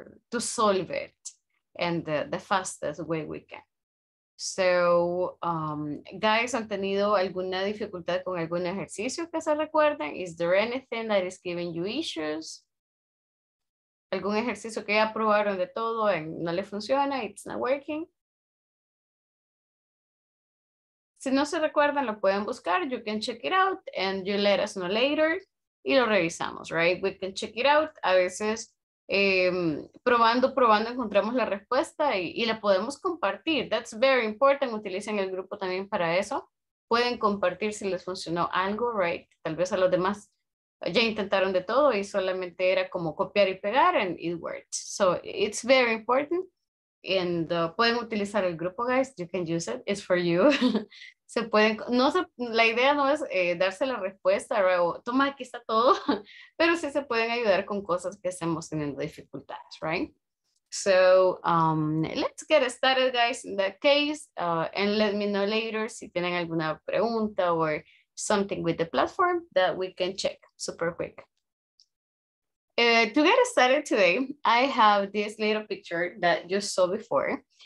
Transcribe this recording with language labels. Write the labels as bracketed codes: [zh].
[en] To solve it in the fastest way we can. [es] So, guys, ¿han tenido alguna dificultad con algún ejercicio que se recuerden? [en] Is there anything that is giving you issues? [es] ¿Algún ejercicio que ya probaron de todo y no le funciona? [en] It's not working. [es] Si no se recuerdan, lo pueden buscar. [en] You can check it out and you let us know later. [es] Y lo revisamos, right? [en] We can check it out. [es] A veces probando, encontramos la respuesta y la podemos compartir. [en] That's very important. [es] Utilicen el grupo también para eso. Pueden compartir si les funcionó algo, right? Tal vez a los demás ya intentaron de todo y solamente era como copiar y pegar [en] and it worked. So it's very important. And [es] pueden utilizar el grupo, [en] guys. You can use it. It's for you. [es] Se pueden, no se, la idea no es darse la respuesta, right? O, toma, aquí está todo. Pero sí se pueden ayudar con cosas que estemos teniendo dificultades, right? [en] So let's get started, guys, in that case. And let me know later [es] si tienen alguna pregunta [en] or something with the platform that we can check super quick. To get started today, I have this little picture that you saw before.